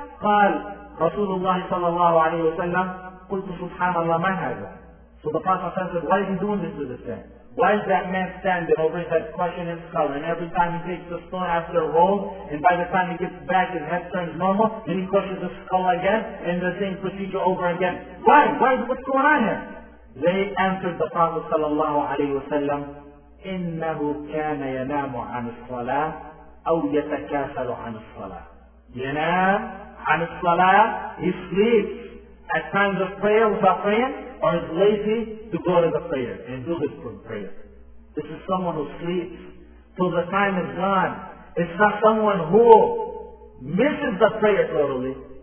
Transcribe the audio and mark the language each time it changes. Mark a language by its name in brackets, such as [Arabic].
[Arabic] قال رسول الله صلى الله عليه وسلم قلت سبحان الله ما هذا. [English] So the Prophet said, why is he doing this to this man? Why is that man standing over his head crushing his skull, and every time he takes the stone after a roll, and by the time he gets back his head turns normal, then he crushes the skull again, and the same procedure over again. Why? What's going on here? They answered the Prophet [Arabic] صلى الله عليه وسلم, إِنَّهُ كَانَ يَنَامُ عَنِ الصَّلَاةِ أَوْ يَتَكَاسَلُ عَنِ الصَّلَاةِ. يَنَامُ عَنِ الصَّلَاةِ. [English] He sleeps at times of prayer without praying, or is lazy to go to the prayer and do this for prayer. This is someone who sleeps till the time is gone. It's not someone who misses the prayer totally.